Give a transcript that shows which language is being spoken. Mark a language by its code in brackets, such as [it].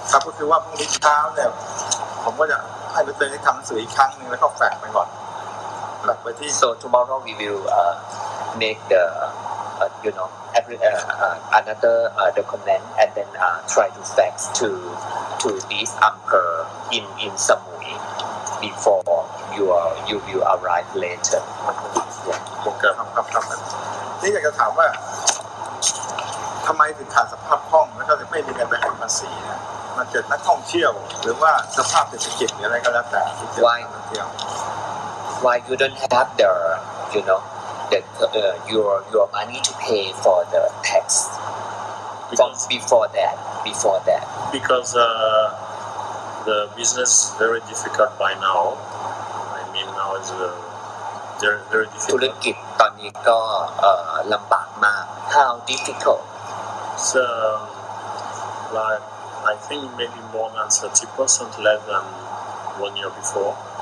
[th] ครับก็คือว่าพรุ่งนี้เช้าเนี่ยผมก็จะให้ไปเตือนให้ทำหนังสืออีกครั้งนึงแล้วก็แฝงไปก่อนแฝงไปที่ [en] so tomorrow we will make theyou know every another document and then try to fax to this anchor in Samui before you arrive later [th] ผมเกิดครับนี่อยากจะถามว่าทำไมถึงขาดสภาพคล่องแล้วก็ไม่มีเงินไปให้ภาษีนะมันเกิดนักท่องเที่ยวหรือว่าสภาพเศรษฐกิจหรืออะไรก็แล้วแต่ที่เกิดนักท่องเที่ยว [en] why you don't have the you knowthat your money to pay for the tax because before that because the business is very difficult by now I mean now is very difficult [th] ธุรกิจตอนนี้ก็ลำบากมาก [en] how difficult so like I think maybe more than 30% less than 1 year before